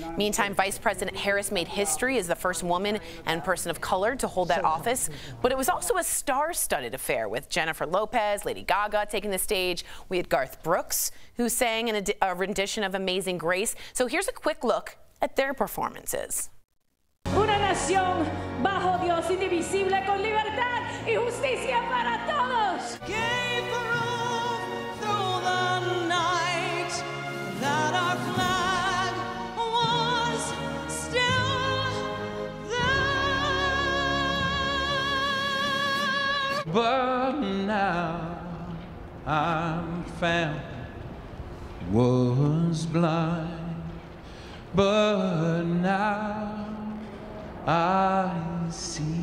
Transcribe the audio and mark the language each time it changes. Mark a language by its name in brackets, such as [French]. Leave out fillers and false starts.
[English] Meantime, Vice President Harris made history as the first woman and person of color to hold that office. But it was also a star-studded affair, with Jennifer Lopez, Lady Gaga taking the stage. We had Garth Brooks, who sang in a rendition of Amazing Grace. So here's a quick look at their performances. [Spanish] Una nación bajo Dios indivisible con libertad y justicia para todos. [English] Gave roof through the night that our flag was still there. But now I'm found, was blind, but now I see.